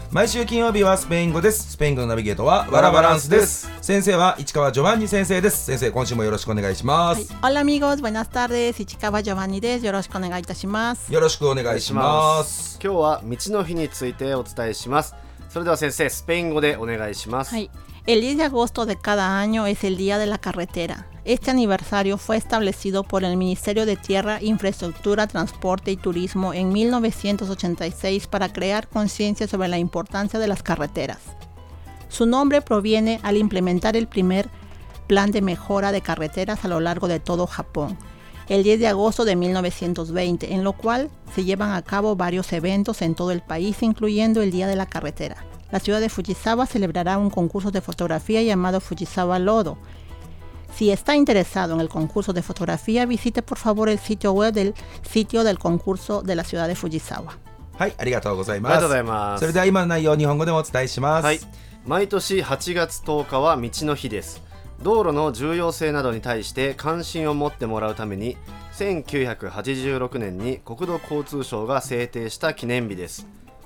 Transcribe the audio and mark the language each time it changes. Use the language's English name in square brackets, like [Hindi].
[Japanese] 毎週金曜日はスペイン語です。スペイン語のナビゲートはワラバランスです。先生は市川ジョバンニ先生です。先生、今週もよろしくお願いします。オラミゴーズ、バナスタールです。市川ジョバンニです。よろしくお願いいたします。よろしくお願いします。今日は道の日についてお伝えします。それでは先生、スペイン語でお願いします。はい。 [Spanish] El 10 de agosto de cada año es el Día de la Carretera. Este aniversario fue establecido por el Ministerio de Tierra, Infraestructura, Transporte y Turismo en 1986 para crear conciencia sobre la importancia de las carreteras. Su nombre proviene al implementar el primer plan de mejora de carreteras a lo largo de todo Japón, el 10 de agosto de 1920, en lo cual se llevan a cabo varios eventos en todo el país, incluyendo el Día de la Carretera. La ciudad de Fujisawa celebrará un concurso de fotografía llamado Fujisawa Lodo. Si está interesado en el concurso de fotografía, visite por favor el sitio web del sitio del concurso de la ciudad de Fujisawa. [Japanese] はい、ありがとうございます。ありがとうございます。それでは今の内容を日本語でもお伝えします。はい。毎年8月10日は道の日です。道路の重要性などに対して関心を持ってもらうために、1986年に国土交通省が制定した記念日です。